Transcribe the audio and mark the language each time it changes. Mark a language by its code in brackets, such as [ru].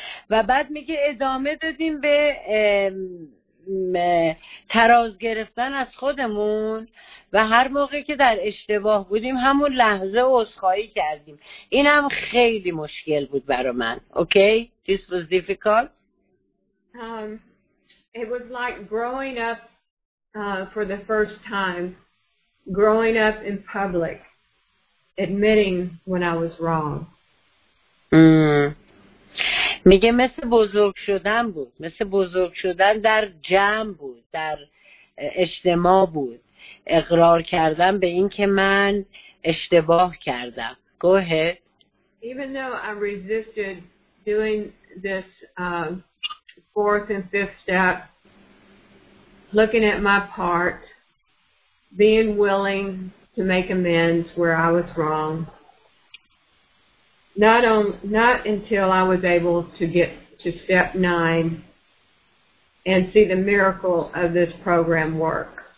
[fa] و بعد میگه ادامه دادیم به تراز گرفتن از خودمون و هر موقعی که در اشتباه بودیم همون لحظه عذرخواهی کردیم. این هم خیلی مشکل بود برای من. [en] Okay, this was difficult. It was like growing up for the first time, growing up in public, admitting when I was wrong. [fa] میگه مثل بزرگ شدن بود، مثل بزرگ شدن در جمع بود، در اجتماع بود، اقرار کردن به این که من اشتباه کردم. [en] Go ahead. Even though I resisted doing this fourth and fifth step, looking at my part, being willing to make amends where I was wrong, Not until I was able to get to step 9 and see the miracle of this program work.